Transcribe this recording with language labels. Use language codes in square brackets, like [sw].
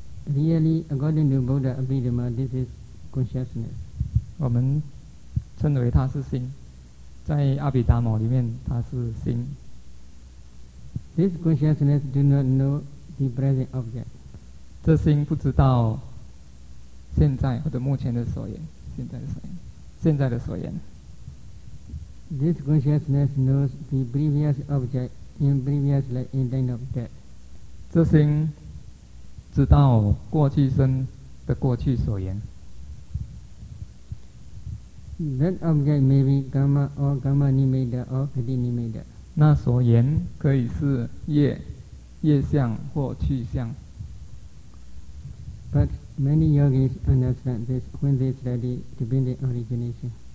[en] Really, according to Buddha Abhidhamma, this is consciousness. [zh] 我们称为它是心。在阿毗达摩里面，它是心。 [en] This consciousness do not know the present object. [zh] 这心不知道现在或者目前的所缘，现在的所缘，现在的所缘。 [en] This consciousness knows the previous object in previous life in time of death. [zh] 这心知道过去生的过去所缘。 [en] That object may be karma or karma nimitta or kati nimitta. [zh] 那所缘可以是业、业相或去相。 [en] But many yogis understand this when they study dependent origination.